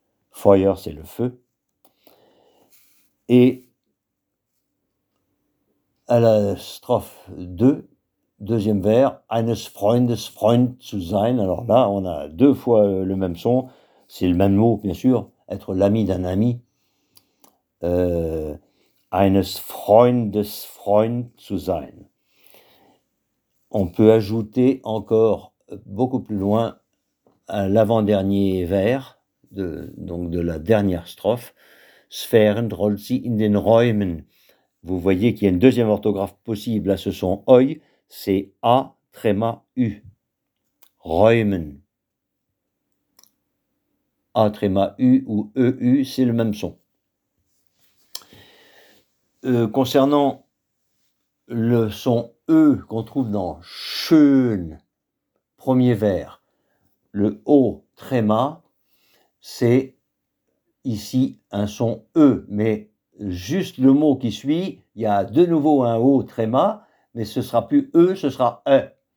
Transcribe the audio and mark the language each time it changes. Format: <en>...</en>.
<fr>Feuer, c'est le feu. Et à la strophe 2, deuxième vers,</fr> <de>eines Freundes Freund zu sein.</de> <fr>Alors là, on a deux fois le même son, c'est le même mot, bien sûr, être l'ami d'un ami.</fr> <de>Eines Freundes Freund zu sein.</de> <fr>On peut ajouter encore beaucoup plus loin à l'avant-dernier vers de la dernière strophe.</fr> <de>Sphären rollt sie in den Räumen.</de> <fr>Vous voyez qu'il y a une deuxième orthographe possible à ce son oi, c'est A tréma U. Räumen. A tréma U ou EU, c'est le même son. Concernant le son E qu'on trouve dans schön, premier vers, le O tréma, c'est ici un son E, mais juste le mot qui suit, il y a de nouveau un O tréma, mais ce ne sera plus E, ce sera E.</fr>